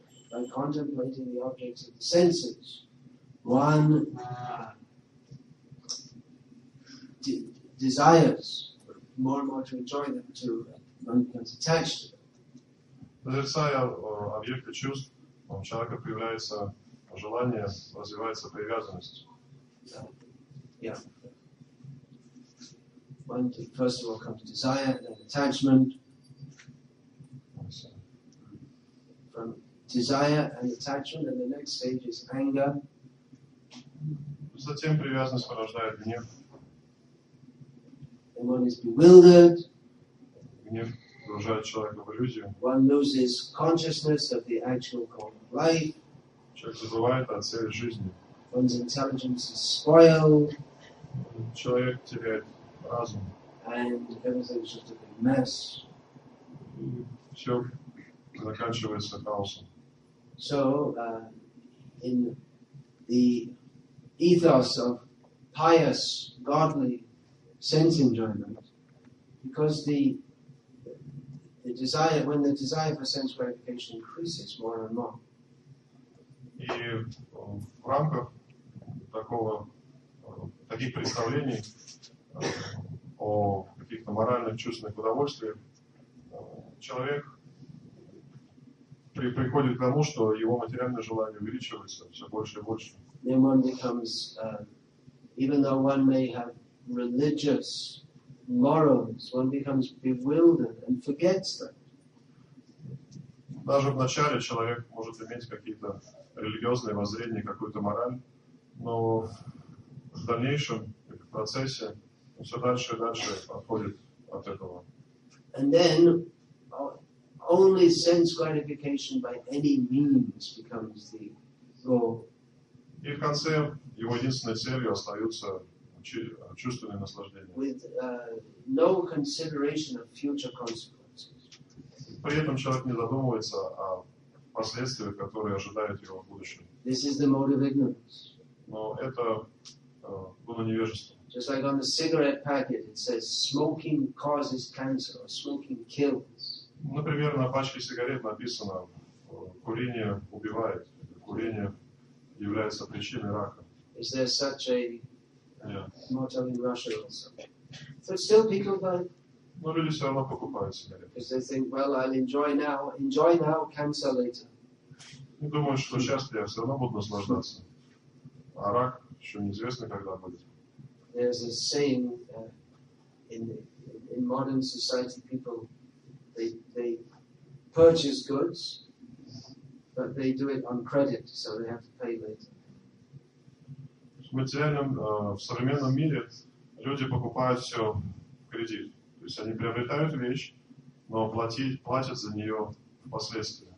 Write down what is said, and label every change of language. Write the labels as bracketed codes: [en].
[en] By contemplating the objects of the senses, one desires more and more to enjoy them, to one becomes attached to them. [ru] Созерцая объекты чувств, у человека появляется желание, развивается привязанность. [en] Yeah. One thing, first of all, comes desire, then attachment. From desire and attachment, and the next stage is anger. [ru] Затем привязанность порождает гнев. [en] Then one is bewildered. [ru] Гнев. Погружает человека в иллюзию. [en] One loses consciousness of the actual goal of life. [ru] Человек забывает о цели жизни. [en] One's intelligence is spoiled. [ru] человек теряет разум. [en] And everything is just a big mess. [ru] Все заканчивается хаосом. [en] So, in the ethos of pious, godly sense enjoyment, because the desire, when the desire for sense gratification increases more and more. [ru] И в рамках такого, таких представлений о каких-то моральных, чувственных удовольствиях, человек приходит к тому, что его материальное желание увеличивается все больше и больше. [en] Then one becomes, even though one may have religious morals, one becomes bewildered and forgets that. [ru] Даже вначале человек может иметь какие-то религиозные воззрения, какую-то мораль, но в дальнейшем, в процессе, он все дальше и дальше отходит от этого. [en] And then only sense gratification by any means becomes the goal. [ru] И в конце его единственной целью остаются чувственные наслаждения. [en] With no consideration of future consequences. [ru] При этом человек не задумывается о последствиях, которые ожидают его в будущем. [en] This is the mode of ignorance. [ru] Но это было невежество. [en] Just like on the cigarette packet, it says smoking causes cancer or smoking kills. [ru] Например, на пачке сигарет написано: курение убивает. Курение является причиной рака. [en] Is there such a motel in Russia or something? So still people buy. [ru] Но люди все равно покупают сигареты. [en] Because they think, well, I'll enjoy now, cancer later. [ru] Ну, думаю, что сейчас я все равно буду наслаждаться. А рак еще неизвестно, когда будет. [en] There's a saying in modern society, people they purchase goods, but they do it on credit, so they have to pay later. [ru] В материальном, в современном мире люди покупают все в кредит. То есть они приобретают вещь, но платят за нее впоследствии.